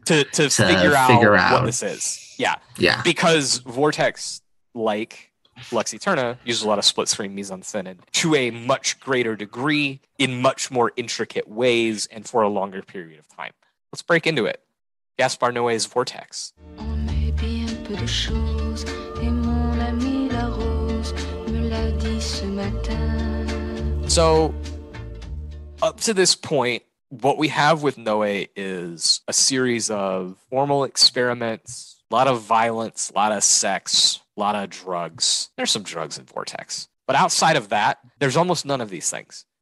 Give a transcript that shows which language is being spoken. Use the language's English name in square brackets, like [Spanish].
[English] This is the one he had to make to figure out what this is. Yeah. Yeah. Because Vortex, like Lexi Turner, uses a lot of split screen mise en scène to a much greater degree in much more intricate ways and for a longer period of time. Let's break into it. Gaspar Noé's Vortex. [French] On est bien peu de choses, et mon ami La Rose me l'a dit ce matin. [English] So, up to this point, what we have with Noé is a series of formal experiments, a lot of violence, a lot of sex, a lot of drugs. There's some drugs in Vortex. But outside of that, there's almost none of these things.